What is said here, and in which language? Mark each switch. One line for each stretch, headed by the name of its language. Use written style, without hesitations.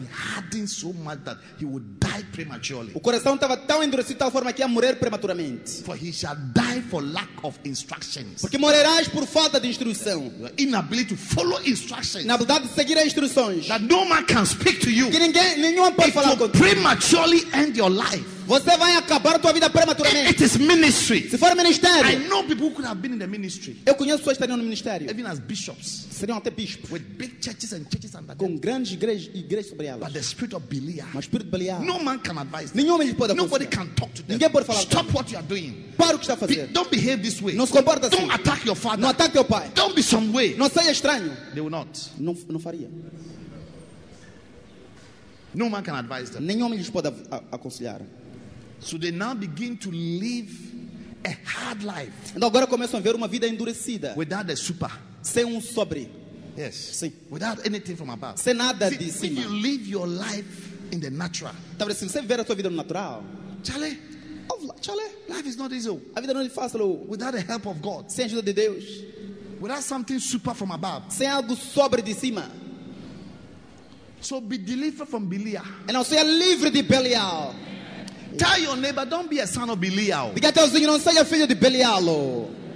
English: The heart had been hardened so much that he would die prematurely.
Portuguese: O coração estava tão endurecido de tal forma que ia morrer prematuramente.
English: For he shall die for lack of instructions.
Portuguese: Porque morrerás por falta de instrução.
English: Inability to follow instructions.
Portuguese: Inabilidade de seguir as instruções.
English: That no man can speak to you.
Portuguese: Que nenhum pode falar contigo.
English: It will prematurely end your life.
Portuguese: Você vai acabar tua vida prematuramente.
English: It is ministry.
Portuguese: Se for ministério.
English: I know people who could have been in the ministry.
Portuguese: Eu conheço pessoas que estariam no ministério.
English: Even as bishops.
Portuguese: Seriam até bispos.
English: With big churches and churches under them.
Portuguese: Com grandes igrejas sobre elas.
English: But the spirit of Belial.
Portuguese: Mas o espírito de Belial.
English: No man can advise.
Portuguese: Nenhum homem lhe pode aconselhar.
English: Nobody can talk to them.
Portuguese: Ninguém pode falar.
English: Stop what you are doing.
Portuguese: Para o que está a fazer.
English: Don't behave this way.
Portuguese: Não se comporta assim.
English: Don't attack your father.
Portuguese: Não ataque teu pai.
English: Don't be some way.
Portuguese: Não seja estranho.
English: They will not.
Portuguese: Não faria.
English: No man can advise them.
Portuguese: Nenhum homem lhes pode aconselhar.
English: So they now begin to live a hard life.
Portuguese: Então agora começam a ver uma vida endurecida.
English: Without a super.
Portuguese: Sem sobre.
English: Yes.
Portuguese: Sim.
English: Without anything from above.
Portuguese: Sem nada de
English: if
Portuguese: cima.
English: If you live your life in the natural.
Portuguese: Então, se você viver a sua vida no natural.
English: Charlie. Life is not easy.
Portuguese: A vida não é fácil.
English: Without the help of God.
Portuguese: Sem ajuda de Deus.
English: Without something super from above.
Portuguese: Sem algo sobre de cima.
English: So be delivered from Belial. And also you're
Portuguese: livre de
English: Belial. Tell your neighbor, don't be a son of Belial.
Portuguese: Diga teu vizinho, não seja filho de Belial.